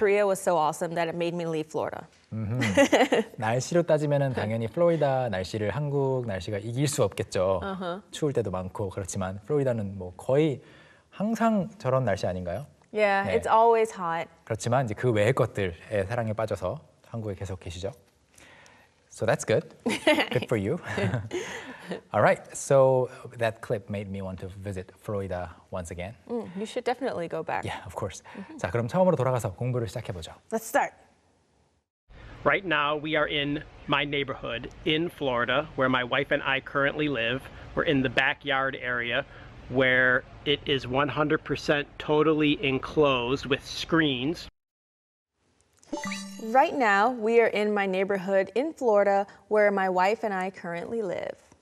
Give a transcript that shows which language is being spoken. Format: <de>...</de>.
<en>Korea was so awesome that it made me leave Florida.</en> <ko>날씨로 따지면은 당연히 플로리다 날씨를 한국 날씨가 이길 수 없겠죠. 추울 때도 많고 그렇지만 플로리다는 뭐 거의 항상 저런 날씨 아닌가요?</ko> <en>Yeah, 네. it's always hot.</en> <ko>그렇지만 이제 그 외의 것들에 사랑에 빠져서 한국에 계속 계시죠.</ko> <en>So that's good. Good for you. All right. So that clip made me want to visit Florida once again. You should definitely go back. Yeah, of course. Mm-hmm.</en> <ko>자, 그럼 처음으로 돌아가서 공부를 시작해 보죠.</ko> <en>Let's start. Right now we are in my neighborhood in Florida where my wife and I currently live. We're in the backyard area where it is 100% totally enclosed with screens. Right now, we are in my neighborhood in Florida where my wife and I currently live.</en>